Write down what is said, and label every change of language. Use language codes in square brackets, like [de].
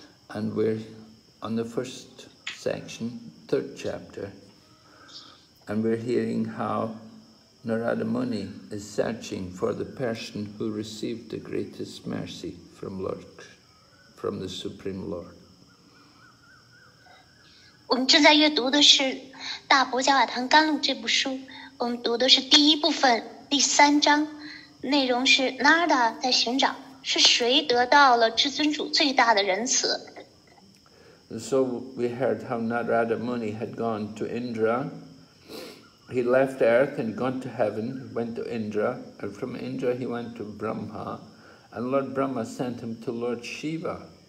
[en] And we're on the first section, third chapter, and we're hearing how Narada Muni is searching for the person who received the greatest mercy from Lord, from the Supreme Lord. [zh] 我们正在阅读的是《大博迦瓦昙甘露》这部书，我们读的是第一部分第三章，内容是 Narada 在寻找是谁得到了至尊主最大的仁慈。 [en] And so we heard how Narada Muni had gone to Indra. He left earth and gone to heaven, went to Indra, and from Indra he went to Brahma, and Lord Brahma sent him to Lord Shiva.